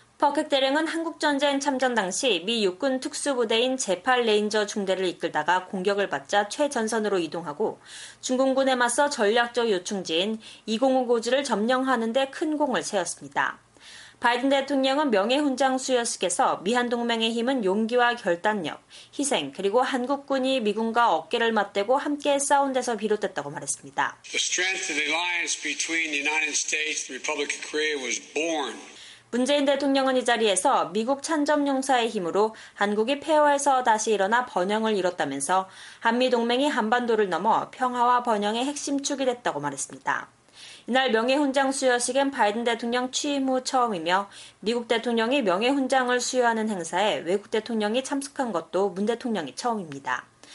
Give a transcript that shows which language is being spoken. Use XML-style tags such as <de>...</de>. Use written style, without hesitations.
<ko>퍼케 대령은 한국전쟁 참전 당시 미 육군 특수부대인 제팔 레인저 중대를 이끌다가 공격을 받자 최전선으로 이동하고 중공군에 맞서 전략적 요충지인 205 고지를 점령하는 데 큰 공을 세웠습니다. 바이든 대통령은 명예훈장 수여식에서 미한동맹의 힘은 용기와 결단력, 희생, 그리고 한국군이 미군과 어깨를 맞대고 함께 싸운 데서 비롯됐다고 말했습니다.</ko> <en>The strength of the alliance between the United States and the Republic of Korea was born.</en> <ko>문재인 대통령은 이 자리에서 미국 참전용사의 힘으로 한국이 폐허에서 다시 일어나 번영을 이뤘다면서 한미동맹이 한반도를 넘어 평화와 번영의 핵심축이 됐다고 말했습니다. 이날 명예훈장 수여식은 바이든 대통령 취임 후 처음이며 미국 대통령이 명예훈장을 수여하는 행사에 외국 대통령이 참석한 것도 문 대통령이 처음입니다.</ko>